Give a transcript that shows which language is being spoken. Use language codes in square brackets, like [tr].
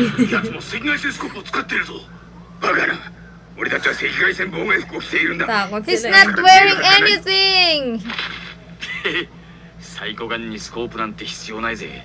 [ja] やつも赤外線スコープを使ってるぞ。バカな。俺たちは赤外線防衛服を着ているんだ。 [en] He's not wearing anything. [ja] サイコガンにスコープなんて必要ないぜ。